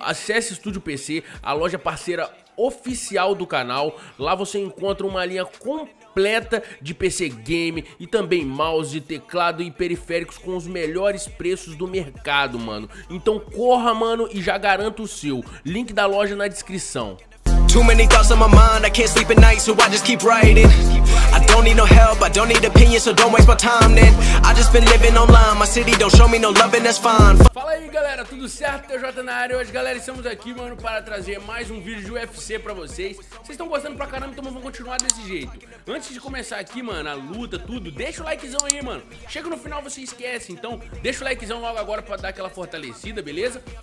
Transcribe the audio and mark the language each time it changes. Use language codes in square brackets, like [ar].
[pt] Acesse Estúdio PC, a loja parceira oficial do canal. Lá você encontra uma linha completa de PC game e também mouse, teclado e periféricos com os melhores preços do mercado, mano. Então corra, mano, e já garanta o seu. Link da loja na descrição. [en] Too many thoughts on my mind, I can't sleep at night, so I just keep writing. I don't need no help, I don't need opinion, so don't waste my time then. I just been living online, my city don't show me no love and that's fine. [pt] Fala aí galera, tudo certo? TJ na área hoje, galera, estamos aqui, mano, para trazer mais um vídeo de UFC pra vocês. Vocês estão gostando pra caramba, então vamos continuar desse jeito. Antes de começar aqui, mano, a luta, tudo, deixa o likezão aí, mano. Chega no final, você esquece, então deixa o likezão logo agora pra dar aquela fortalecida, beleza?